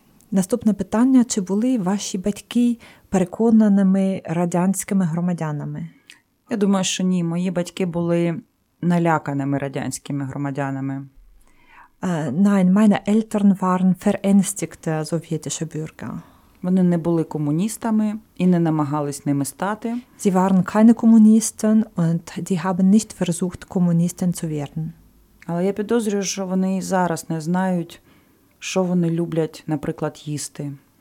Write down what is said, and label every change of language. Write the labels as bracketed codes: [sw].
[uk] Наступне питання, чи були ваші батьки переконаними радянськими громадянами? Я думаю, що ні. Мої батьки були наляканими радянськими громадянами. [de] Nein, meine Eltern waren verängstigte sowjetische Bürger. [uk] Вони не були комуністами і не намагались ними стати. [de] Sie waren keine Kommunisten und die haben nicht versucht, Kommunisten zu werden. [uk] Але я підозрюю, що вони зараз не знають, що вони люблять, наприклад, їсти.